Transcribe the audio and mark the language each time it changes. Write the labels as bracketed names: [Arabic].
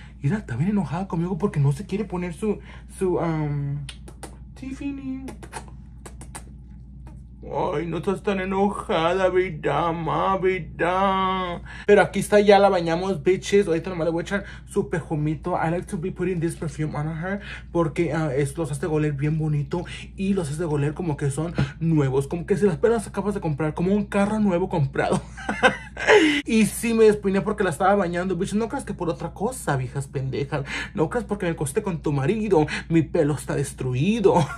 [Spanish] Mira, está bien enojada conmigo porque no se quiere poner Tiffany. Ay, no estás tan enojada, vida, ma, vida. Pero aquí está, ya la bañamos, bitches. Ahorita nomás le voy a echar su perfumito. [English] I like to be putting this perfume on her. [Spanish] Porque los hace oler bien bonito. Y los hace oler como que son nuevos. Como que si las pelas acabas de comprar. Como un carro nuevo comprado. Y sí me despiné porque la estaba bañando, bitches. No creas que por otra cosa, viejas pendejas. No creas porque me acosté con tu marido. Mi pelo está destruido.